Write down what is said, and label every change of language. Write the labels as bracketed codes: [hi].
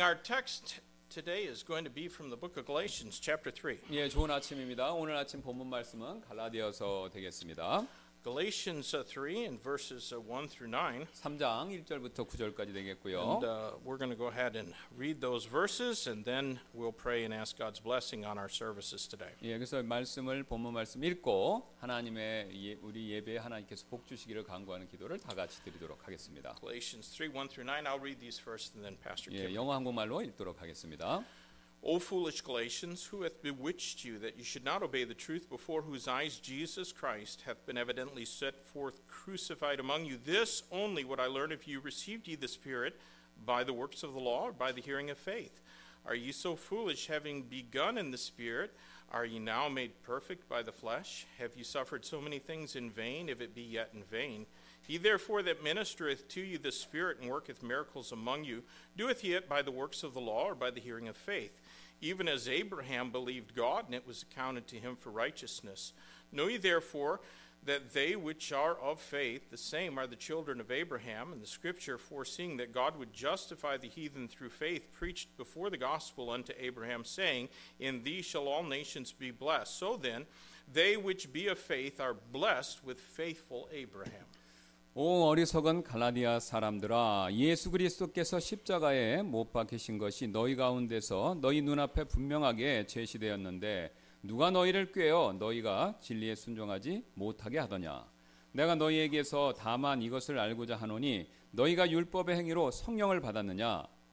[en] Our text today is going to be from the book of Galatians, chapter 3. [ko] 예, 좋은 아침입니다. 오늘 아침 본문 말씀은 갈라디아서 되겠습니다. [en] Galatians 3 and verses 1 through 9. [ko] 3장 1절부터 9절까지 되겠고요. [en] And we're going to go ahead and read those verses and then we'll pray and ask God's blessing on our services today. [ko] 예, 그래서 말씀을 본문 말씀 읽고 하나님의 예, 우리 예배 하나님께서 복 주시기를 간구하는 기도를 다 같이 드리도록 하겠습니다. [en] Galatians 3 1 through 9. I'll read these first and then Pastor. [ko] 예, 영어 한국말로 읽도록 하겠습니다. [en] O foolish Galatians, who hath bewitched you that you should not obey the truth before whose eyes Jesus Christ hath been evidently set forth crucified among you? This only would I learn of you, received ye the Spirit by the works of the law or by the hearing of faith? Are ye so foolish, having begun in the Spirit, are ye now made perfect by the flesh? Have ye suffered so many things in vain, if it be yet in vain? He therefore that ministereth to you the Spirit and worketh miracles among you, doeth he it by the works of the law or by the hearing of faith? Even as Abraham believed God, and it was accounted to him for righteousness. Know ye therefore that they which are of faith, the same are the children of Abraham. And the Scripture, foreseeing that God would justify the heathen through faith, preached before the gospel unto Abraham, saying, In thee shall all nations be blessed. So then, they which be of faith are blessed with faithful Abraham. [ko] 오 어리석은 갈라디아 사람들아 예수 그리스도께서 십자가에 못 박히신 것이 너희 가운데서 너희 눈앞에 분명하게 제시되었는데 누가 너희를 꾀어 너희가 진리에 순종하지 못하게 하더냐 내가 너희에게서 다만 이것을 알고자 하노니 너희가 율법의 행위로 성령을 받았느냐